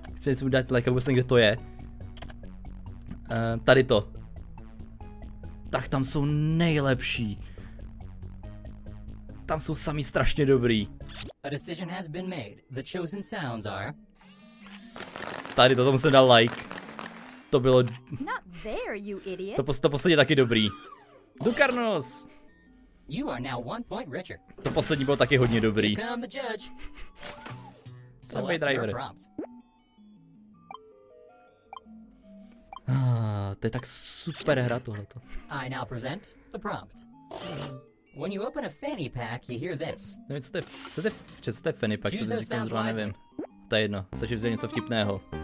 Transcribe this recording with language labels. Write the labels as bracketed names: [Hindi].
[Czech] Chci něco udělat like, ale vlastně kde to je? Tady to. Tak tam jsou nejlepší. Tam jsou sami strašně dobrý. [English] A decision has been made. The chosen sounds are... [Czech] Tady to musím dát like. To bylo... [English] Not there, you idiot. [Czech] To poslední taky dobrý. Dukarnos! [English] You are now one point richer. [Czech] To poslední bylo taky hodně dobrý. [English] Become the judge. So what's your prompt? [Czech] To je tak super hra tohleto. [English] I now present the prompt. When you open a fanny pack, you hear this. [Czech] Nevím, co to je fanny pack, to říkám zrovna nevím. To je jedno, stačí vzít něco vtipného.